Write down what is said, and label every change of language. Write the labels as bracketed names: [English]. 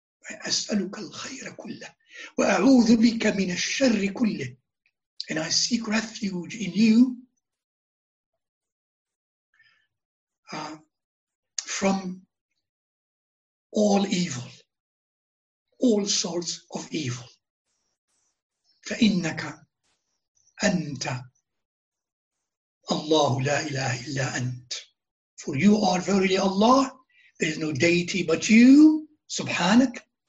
[Arabic] أسألك الخير كله وأعوذ بك من الشر كله. [English] And I seek refuge in you from all evil, all sorts of evil. [Arabic] فإنك أنت الله لا إله إلا أنت. [English] For you are verily Allah, there is no deity but you, سبحانك.